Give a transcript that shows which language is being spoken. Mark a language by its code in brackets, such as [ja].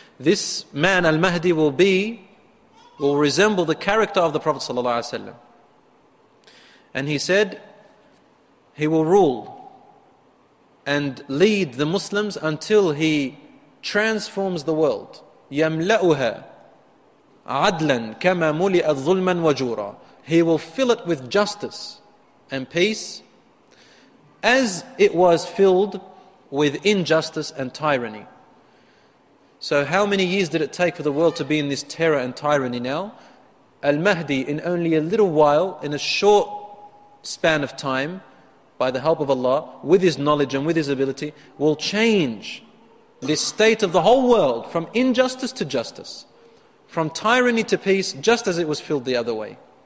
[en] This man, Al-Mahdi, will resemble the character of the Prophet sallallahu alayhi wa sallam. And he said, he will rule and lead the Muslims until he transforms the world. [ar] يَمْلَأُهَا عَدْلًا كَمَا مُلِئَ الظُّلْمًا وَجُورًا. [en] He will fill it with justice and peace as it was filled with injustice and tyranny. So how many years did it take for the world to be in this terror and tyranny now? Al-Mahdi, in only a little while, in a short span of time, by the help of Allah, with his knowledge and with his ability, will change this state of the whole world from injustice to justice, from tyranny to peace, just as it was filled the other way.